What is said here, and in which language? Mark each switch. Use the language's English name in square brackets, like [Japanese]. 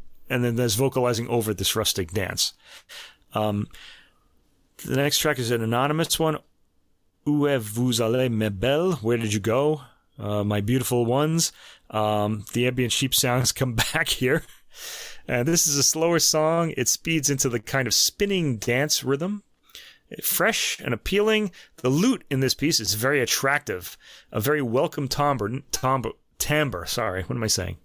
[English] And then there's vocalizing over this rustic dance. The next track is an anonymous one. [French] Où est vous allez, mes belles? [English] Where did you go, my beautiful ones? The ambient sheep sounds come back here. And this is a slower song. It speeds into the kind of spinning dance rhythm. fresh and appealing. The lute in this piece is very attractive, a very welcome timbre. Sorry, what am I saying?